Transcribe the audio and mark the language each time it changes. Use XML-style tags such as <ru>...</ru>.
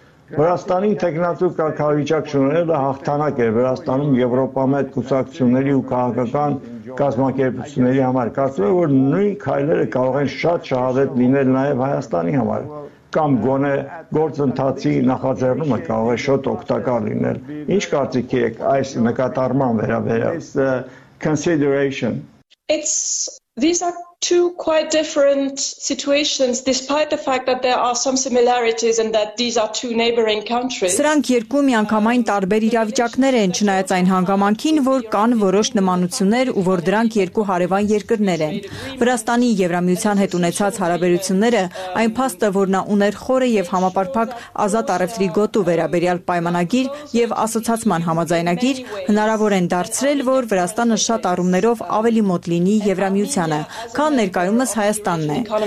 <hy>Վրաստանի ինտեգրացու կարգավիճակ շնորհելը հաղթանակ է Վրաստանում եվրոպամետ կուսակցությունների ու քաղաքական կազմակերպությունների համար։ Կարծում եմ, որ նույն քայլերը կարող են շատ շահավետ լինել նաև Հայաստանի համար, կամ գոնե գործընթացի նախաձեռնումը կարող է շատ օգտակար լինել։ Ինչ կարծիքի եք այս նկատառման վերաբերյալ?</hy> <en>These are two quite different situations, despite the fact that there are some similarities and that these are two neighboring countries.</en> <hy>Սրանք երկու միանգամայն տարբեր իրավիճակներ են, չնայած այն հանգամանքին, որ կան որոշ նմանություններ ու որ դրանք երկու հարևան երկրներ են. Վրաստանի Եվրամիության հետ ունեցած հարաբերությունները, այն փաստը, որ նա ուներ խորը եւ համապարփակ ազատ առևտրի գոտու վերաբերյալ պայմանագիր եւ ասոցացման համաձայնագիր, հնարավոր են դարձրել, որ Վրաստանը շատ առումներով ավելի մոտ լինի Եվրամիությանը, քան ներկայումս Հայաստանն է.</hy>